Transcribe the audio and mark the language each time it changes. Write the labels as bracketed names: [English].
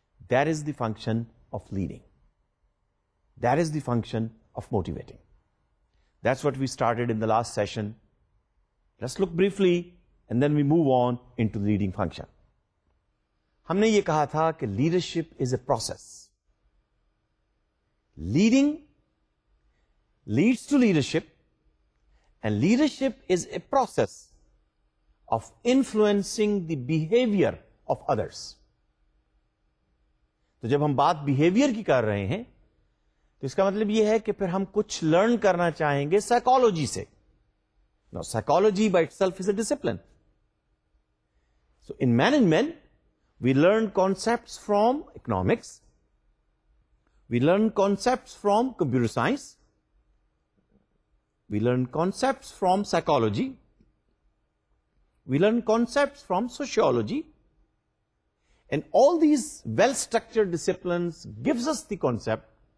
[English] That is the function of leading, that is the function of motivating. That's what we started in the last session. Let's look briefly and then we move on into leading function. [Urdu] ہم نے یہ کہا تھا کہ [English] Leadership is a process. Leading leads to leadership and leadership is a process of influencing the behaviour of others. [Urdu] تو جب ہم بات بیہیویئر کی کر رہے ہیں تو اس کا مطلب یہ ہے کہ پھر ہم کچھ لرن کرنا چاہیں گے سائیکالوجی سے. [English] No psychology by itself is a discipline. So in management we learn concepts from economics, we learn concepts from computer science, we learn concepts from psychology, we learn concepts from sociology, and all these well-structured disciplines gives us the concept